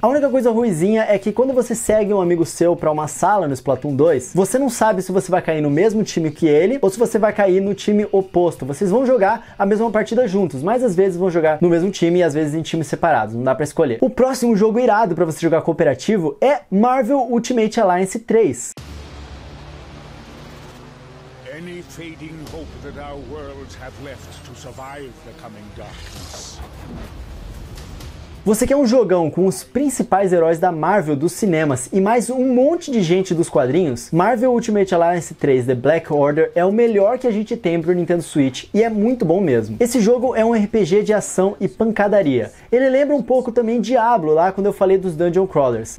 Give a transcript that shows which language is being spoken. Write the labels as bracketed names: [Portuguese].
[Portuguese] A única coisa ruizinha é que quando você segue um amigo seu para uma sala no Splatoon 2, você não sabe se você vai cair no mesmo time que ele ou se você vai cair no time oposto. Vocês vão jogar a mesma partida juntos, mas às vezes vão jogar no mesmo time e às vezes em times separados, não dá pra escolher. O próximo jogo irado pra você jogar cooperativo é Marvel Ultimate Alliance 3. [English] Any fading hope that our worlds have left to survive the coming darkness. [Portuguese] Você quer um jogão com os principais heróis da Marvel dos cinemas e mais um monte de gente dos quadrinhos? Marvel Ultimate Alliance 3 The Black Order é o melhor que a gente tem pro Nintendo Switch e é muito bom mesmo. Esse jogo é um RPG de ação e pancadaria. Ele lembra um pouco também Diablo lá quando eu falei dos Dungeon Crawlers.